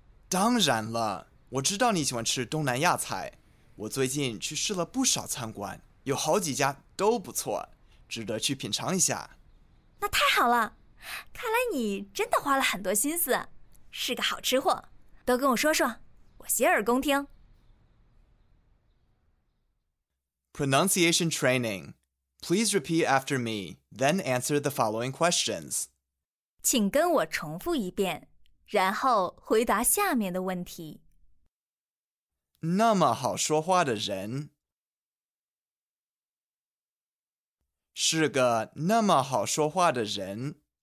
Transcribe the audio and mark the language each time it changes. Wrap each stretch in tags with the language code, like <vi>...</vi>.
<zh>当然了，我知道你喜欢吃东南亚菜，我最近去试了不少餐馆，有好几家都不错，值得去品尝一下。那太好了，看来你真的花了很多心思，是个好吃货，都跟我说说。我洗耳恭听。</zh> <en>Pronunciation training. Please repeat after me, then answer the following questions.</en> <zh>请跟我重复一遍，然后回答下面的问题。那么好说话的人。是个那么好说话的人。</zh>